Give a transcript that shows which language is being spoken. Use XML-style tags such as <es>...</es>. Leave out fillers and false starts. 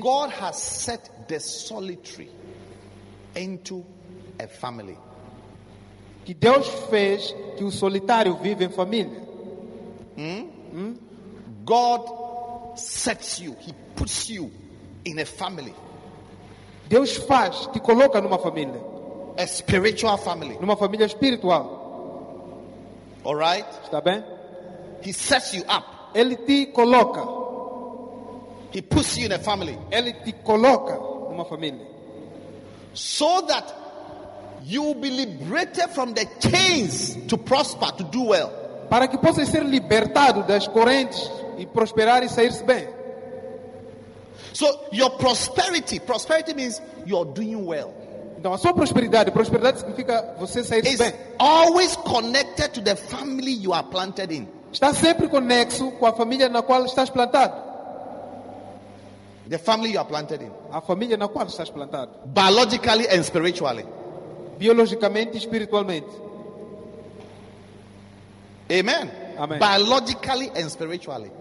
<en>God has set the solitary into a family.</en> <pt>Que Deus fez que o solitário vive em família.</pt> <en>God sets you, he puts you in a family.</en> <pt>Deus faz, te coloca numa família.</pt> <en>A spiritual family.</en> <pt>Numa família espiritual.</pt> <en>All right.</en> <pt>Está bem?</pt> <en>He sets you up.</en> <pt>Ele te coloca.</pt> <en>He puts you in a family.</en> <pt>Ele te coloca numa família.</pt> <en>So that you will be liberated from the chains to prosper, to do well.</en> <pt>Para que possa ser libertado das correntes e prosperar e sair-se bem.</pt> <en>So your prosperity means you're doing well.</en> <pt>Então, a sua prosperidade significa você sair</pt> <en>is</en> <pt>bem.</pt> <en>Always connected to the family you are planted in.</en> <pt>Está sempre conexo com a família na qual estás plantado.</pt> <en>The family you are planted in.</en> <pt>A família na qual estás plantado.</pt> <en>Biologically and spiritually.</en> <pt>Biologicamente e espiritualmente.</pt> <en>Amen.</en> <pt>Amen.</pt> <en>Biologically and spiritually.</en>